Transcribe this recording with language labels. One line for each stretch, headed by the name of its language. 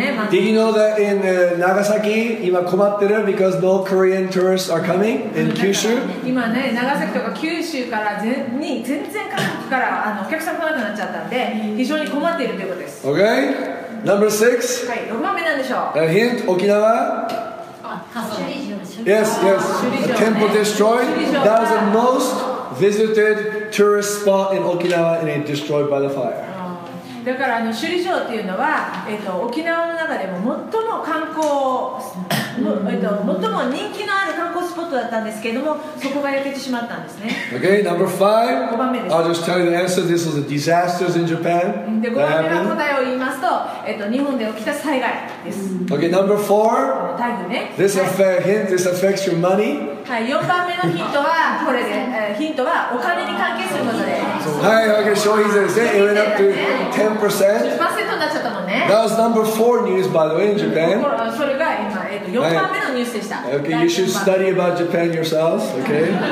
English: Did you know that in Nagasaki,
Japanese: 今困ってる
English: because no Korean tourists are coming in Kyushu?
Japanese: 今ね、長崎とか九州から全に全然韓国からお客さん来なくなっちゃったんで、非常に困っているということです。
English: Okay, number 6.
Japanese: はい、6番目なんでしょう。
English: Hint, Okinawa.
Japanese: あ、首里城。
English: Yes.
Japanese: ね、
English: temple destroyed. That was the most visited. Tourist spot in Okinawa and it destroyed by the fire.
Japanese: だから首里城っていうのは、沖縄の中でも最も観光、最も人気のある観光スポットだったんですけれども、そこが焼けてしまったんですね。
English: Okay, number 5.
Japanese: 5番目です。
English: I'll just tell you the answer. This was a disaster in Japan.
Japanese: で、5番目の答えを言いますと、日本で起きた災害です。
English: Okay, number 4.
Japanese: 台風ね。
English: This affects hint. This affects your money.
Japanese: はい、4番目のヒントはこれで、ヒントはお金に関係することです。
English: はい、okay,
Japanese: 消費税ですね。
English: It went up to 10%。
Japanese: 10%になっちゃったもんね。ね。
English: That was number four news, by the way, in Japan.
Japanese: それが今、4番目のニュースでした。
English: Okay, you should study about Japan yourselves, okay?